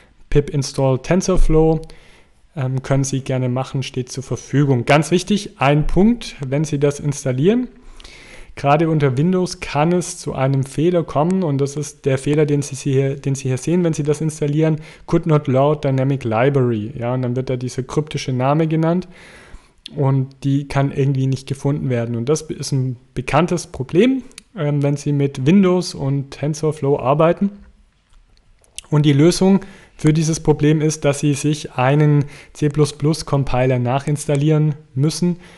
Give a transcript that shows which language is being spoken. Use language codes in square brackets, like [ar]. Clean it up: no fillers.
[de] Pip install TensorFlow, können Sie gerne machen, steht zur Verfügung. Ganz wichtig, ein Punkt, wenn Sie das installieren, gerade unter Windows kann es zu einem Fehler kommen und das ist der Fehler, den Sie hier sehen, wenn Sie das installieren. [en] Could not load dynamic library. [de] Ja, und dann wird da dieser kryptische Name genannt und die kann irgendwie nicht gefunden werden. Und das ist ein bekanntes Problem, wenn Sie mit Windows und TensorFlow arbeiten. Und die Lösung für dieses Problem ist, dass Sie sich einen C++-Compiler nachinstallieren müssen.